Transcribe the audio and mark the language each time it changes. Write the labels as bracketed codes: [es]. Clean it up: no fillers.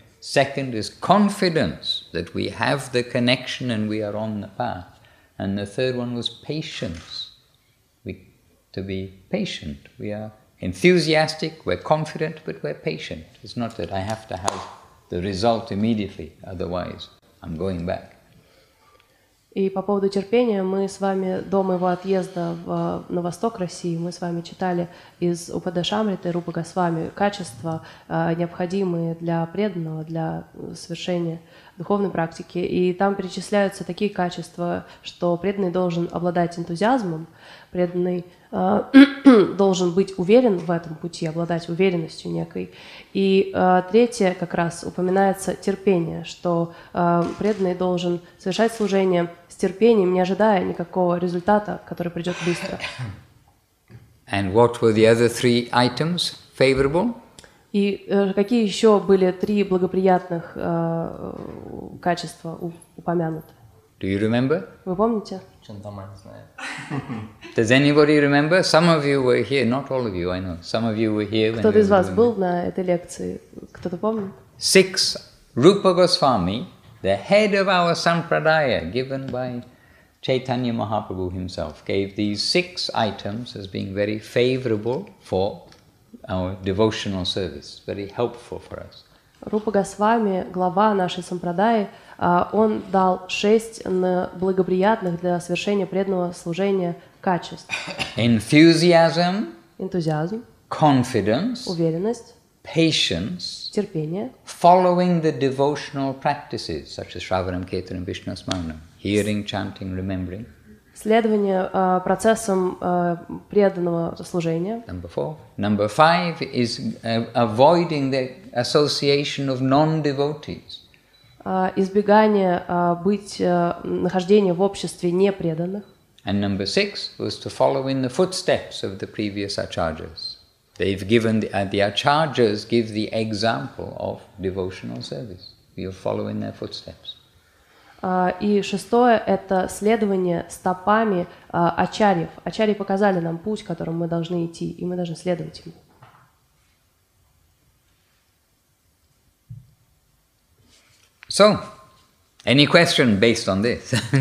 [en] Second is confidence that we have the connection and we are on the path. And the third one was patience. To be patient. We are enthusiastic, we're confident, but we're patient. It's not that I have to have the result immediately, otherwise I'm going back. [ru] И по поводу терпения, мы с вами до моего отъезда на восток России, мы с вами читали из Упадешамриты Рупы Госвами качества, необходимые для преданного, для совершения духовной практики. И там перечисляются такие качества, что преданный должен обладать энтузиазмом, преданный должен быть уверен в этом пути, обладать уверенностью некой. И третье, как раз упоминается терпение, что преданный должен совершать служение с терпением, не ожидая никакого результата, который придет быстро. [en] And what were the other three items favorable? [ru] И какие еще были три благоприятных качества упомянуты? [en] Do you remember? [ru] Вы помните? Джентльмен знает. [en] Does anybody remember? Some of you were here, not all of you, I know. Some of you were here. [ru] Кто-то when из вас был на этой лекции? Кто-то помнит? [en] Six. Rupa Goswami, the head of our Sampradaya, given by Chaitanya Mahaprabhu himself, gave these six items as being very favorable for our devotional service, very helpful for us. [ru] Rupa Goswami, глава нашей Сампрадаи, он дал шесть благоприятных для совершения преданного служения качеств. [en] Enthusiasm. [ru] Энтузиазм. [en] Confidence. [ru] Уверенность. [en] Patience. [ru] Терпение. [en] Following the devotional practices, such as Shravanam, Kirtanam, Vishnu Smaranam, hearing, chanting, remembering. [ru] Следование процессам преданного служения. [en] Number four. Number five is avoiding the association of non-devotees. [ru] Избегание нахождение в обществе непреданных. [en] And number six was to follow in the footsteps of the previous acharyas. They've given the acharyas give the example of devotional service. You're following their footsteps. [ru] И шестое – это следование стопами ачарьев. Ачарьи показали нам путь, которым мы должны идти, и мы должны следовать ему. [en] So, any question based on this?